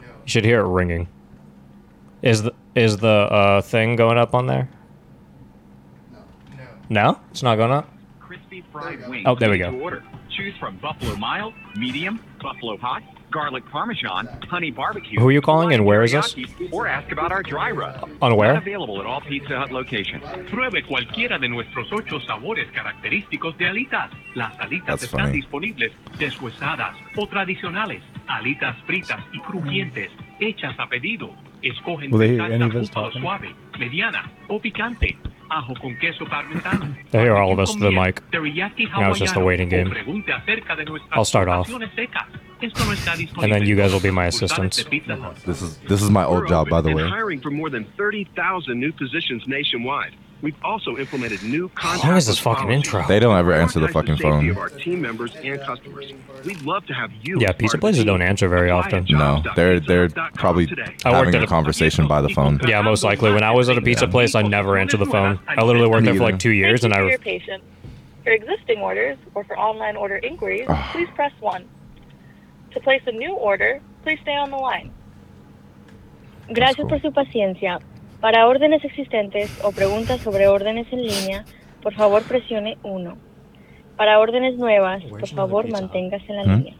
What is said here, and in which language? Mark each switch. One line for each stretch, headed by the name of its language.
English: You should hear it ringing. Is the thing going up on there? No. It's not going up. Crispy fried wings. Oh, there we go. Order. Choose from buffalo mild, medium, buffalo hot. Garlic parmesan, honey barbecue. Who are you calling and where is this? Or ask about our dry rub. On where? Not available at all Pizza Hut locations.
Spanish: Pruebe cualquiera de nuestros ocho sabores característicos de alitas. Las alitas están disponibles deshuesadas o tradicionales. Alitas fritas y crujientes hechas a pedido. Escogen de salsa cupa o suave, mediana o picante. Ajo con queso parmesano.
English: They hear all of us to the mic. Now it's just a waiting game. I'll start off. And then you guys will be my assistants. This is my old job, by the way. We're hiring for more than 30,000 new positions nationwide. We've also implemented new contracts. Why is this fucking intro? They don't ever answer the fucking phone. Our team members and customers. We'd love to have you. Yeah, pizza places don't answer very often. No, they're probably having a conversation by the phone. Yeah, most likely. When I was at a pizza place, I never answered the phone. I literally worked there for like 2 years, and I. For existing orders or for online order inquiries, please press 1. To place a new order, please stay on the line.
Spanish: Gracias por su paciencia. Para órdenes existentes o preguntas sobre órdenes en línea, por favor presione 1. Para órdenes nuevas, por favor manténgase en la línea.